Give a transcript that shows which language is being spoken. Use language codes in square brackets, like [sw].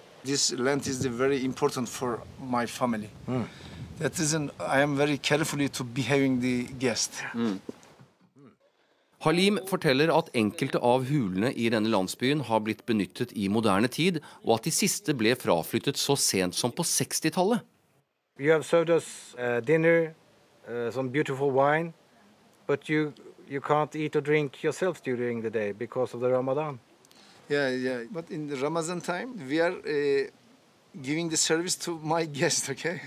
[en] This land is very important for my family. Mm. That isn't, I am very carefully to behaving the guest. Mm. [no] Halim fortæller at enkelte av hulene I denne landsbyen har blitt benyttet I moderne tid, og at de siste ble fraflyttet så sent som på 60-tallet. [en] You have served us dinner, some beautiful wine, but you can't eat or drink yourself during the day because of the Ramadan. Yeah, but in the Ramadan time, we are giving the service to my guest, okay?